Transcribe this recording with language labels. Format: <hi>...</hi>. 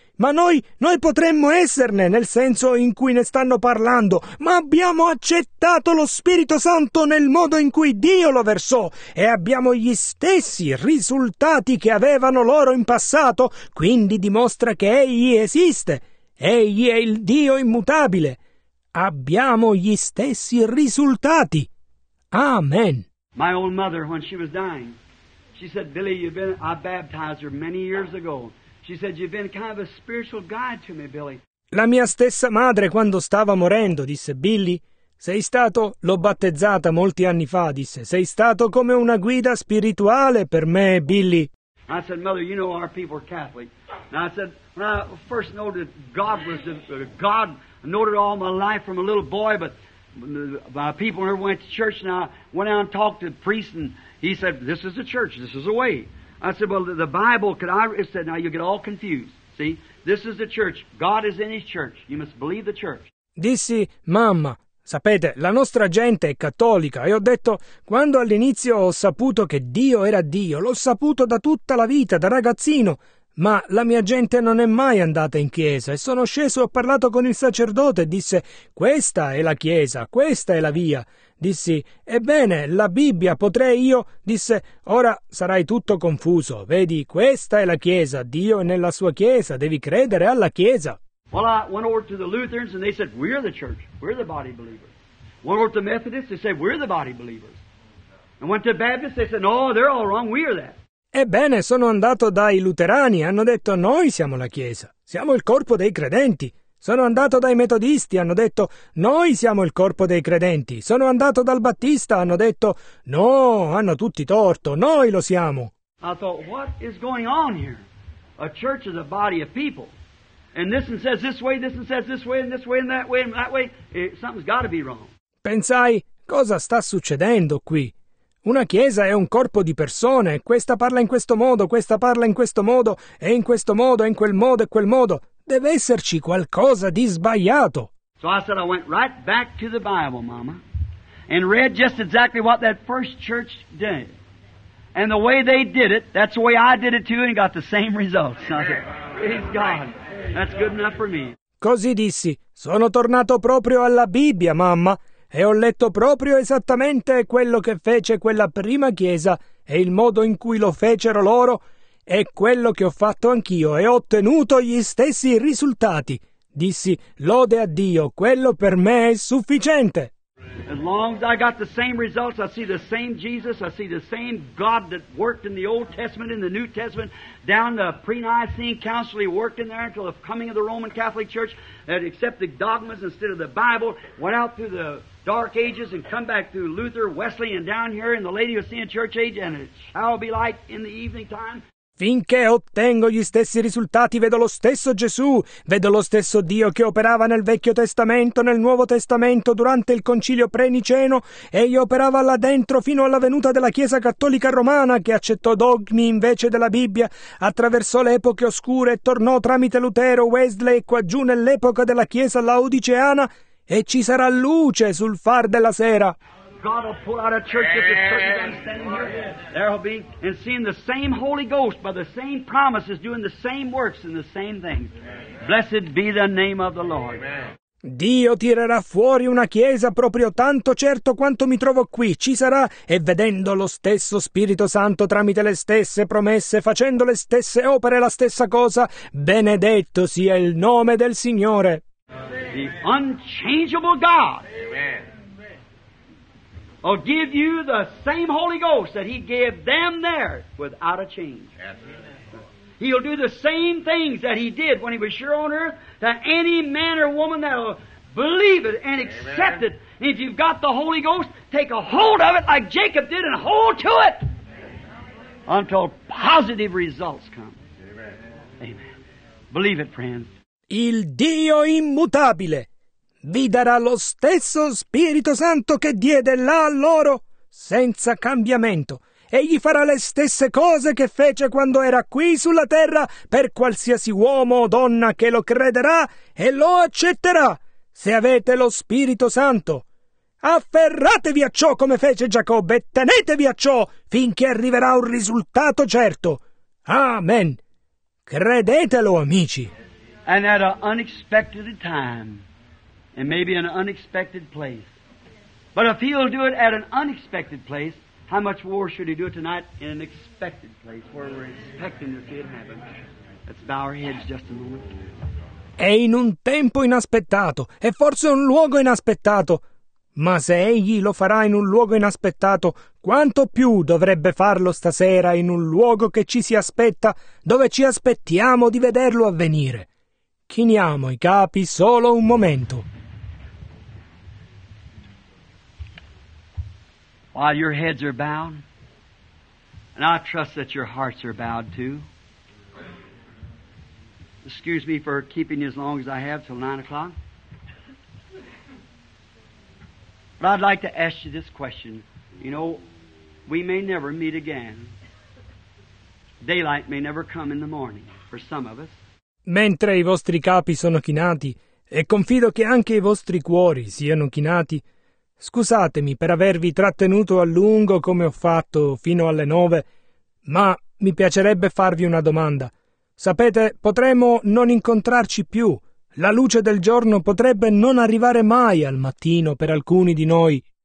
<it>Ma noi potremmo esserne, nel senso in cui ne stanno parlando, ma abbiamo accettato lo Spirito Santo nel modo in cui Dio lo versò e abbiamo gli stessi risultati che avevano loro in passato, quindi dimostra che Egli esiste. Egli è il Dio immutabile. Abbiamo gli stessi risultati. Amen.</it> <en>My old mother, when she was dying, she said, Billy, I baptized her many years ago. She said, you've been kind of a spiritual guide to me, Billy.</en> <it>La mia stessa madre, quando stava morendo, disse, Billy, l'ho battezzata molti anni fa, disse, sei stato come una guida spirituale per me, Billy.</it> <en>I said, Mother, you know our people are Catholic. And I said, when I first noted God was God, I noted all my life from a little boy, but my people never went to church, and I went out and talked to the priest, and he said, this is the church, this is the way. I said, well, the Bible, it said, now you get all confused, see? This is the church, God is in His church, you must believe the church.</en> <it>Dissi, mamma, sapete, la nostra gente è cattolica, e ho detto, quando all'inizio ho saputo che Dio era Dio, l'ho saputo da tutta la vita, da ragazzino. Ma la mia gente non è mai andata in chiesa e sono sceso e ho parlato con il sacerdote e disse «Questa è la chiesa, questa è la via». Dissi «Ebbene, la Bibbia, potrei io?» Disse «Ora sarai tutto confuso, vedi, questa è la chiesa, Dio è nella sua chiesa, devi credere alla chiesa».</it> <en>Well, I went over to the Lutherans and they said «We're the church, we're the body believers». Went over to the Methodists, they said «We're the body believers». And went to the Baptists, they said «No, they're all wrong, we are that».</en> <it>Ebbene, sono andato dai luterani, hanno detto noi siamo la Chiesa, siamo il corpo dei credenti. Sono andato dai metodisti, hanno detto noi siamo il corpo dei credenti. Sono andato dal battista, hanno detto no, hanno tutti torto, noi lo siamo.</it> <en>I thought, what is going on here? A church is a body of people. And this one says this way, this one says this way and that way and that way. Something's got to be wrong.</en> <it>Pensai, cosa sta succedendo qui? Una chiesa è un corpo di persone, questa parla in questo modo, questa parla in questo modo, e in questo modo, e in quel modo, e quel modo. Deve esserci qualcosa di sbagliato.</it> <en>So I said I went right back to the Bible, Mama, and read just exactly what that first church did. And the way they did it, that's the way I did it too, and got the same results. I said, praise God, that's good enough for me.</en> <it>Così dissi, sono tornato proprio alla Bibbia, Mamma. e ho letto proprio esattamente quello che fece quella prima chiesa e il modo in cui lo fecero loro è quello che ho fatto anch'io e ho ottenuto gli stessi risultati. Dissi, lode a Dio, quello per me è sufficiente.</it> <en>As long as I got the same results, I see the same Jesus, I see the same God that worked in the Old Testament, in the New Testament, down the pre-Nicene Council, He worked in there until the coming of the Roman Catholic Church, that accepted dogmas instead of the Bible, went out through the Dark Ages and come back through Luther, Wesley, and down here in the Laodicean Church Age, and it shall be like in the evening time.</en> <it>Finché ottengo gli stessi risultati, vedo lo stesso Gesù, vedo lo stesso Dio che operava nel Vecchio Testamento, nel Nuovo Testamento, durante il Concilio Preniceno, egli operava là dentro fino alla venuta della Chiesa Cattolica Romana, che accettò dogmi invece della Bibbia, attraversò le epoche oscure e tornò tramite Lutero, Wesley e quaggiù nell'epoca della Chiesa Laodiceana, e ci sarà luce sul far della sera.</it> <en>God will pull out a church if it's certain that I'm standing here. There will be, and seeing the same Holy Ghost by the same promises, doing the same works and the same things. Blessed be the name of the Lord. Amen.</en> <it>Dio tirerà fuori una chiesa proprio tanto certo quanto mi trovo qui, ci sarà, e vedendo lo stesso Spirito Santo tramite le stesse promesse, facendo le stesse opere, la stessa cosa, benedetto sia il nome del Signore.</it> <en>Amen. The unchangeable God. Amen. I'll give you the same Holy Ghost that He gave them there without a change. Absolutely. He'll do the same things that He did when He was here on earth to any man or woman that'll believe it and accept Amen. It. And if you've got the Holy Ghost, take a hold of it like Jacob did and hold to it Amen. Until positive results come. Amen. Amen. Believe it, friends.</en> <it>Il Dio immutabile vi darà lo stesso Spirito Santo che diede là a loro, senza cambiamento. Egli farà le stesse cose che fece quando era qui sulla terra per qualsiasi uomo o donna che lo crederà e lo accetterà. Se avete lo Spirito Santo, afferratevi a ciò come fece Giacobbe e tenetevi a ciò finché arriverà un risultato certo. Amen. Credetelo, amici.</it> <en>And at an unexpected time. And maybe an unexpected place. But if he'll do it at an unexpected place, how much more should he do it tonight in an expected place where we're expecting to see it happen? Let's bow our heads just a moment.</en> <it>È in un tempo inaspettato, e forse un luogo inaspettato. Ma se egli lo farà in un luogo inaspettato, quanto più dovrebbe farlo stasera in un luogo che ci si aspetta, dove ci aspettiamo di vederlo avvenire. Chiniamo i capi solo un momento.</it> <en>While your heads are bowed, and I trust that your hearts are bowed too. Excuse me for keeping you as long as I have till 9 o'clock. But I'd like to ask you this question. You know, we may never meet again. Daylight may never come in the morning for some of us.</en> <it>Mentre i vostri capi sono chinati, e confido che anche i vostri cuori siano chinati, scusatemi per avervi trattenuto a lungo come ho fatto fino alle 9, ma mi piacerebbe farvi una domanda. Sapete, potremmo non incontrarci più. La luce del giorno potrebbe non arrivare mai al mattino per alcuni di noi.</it>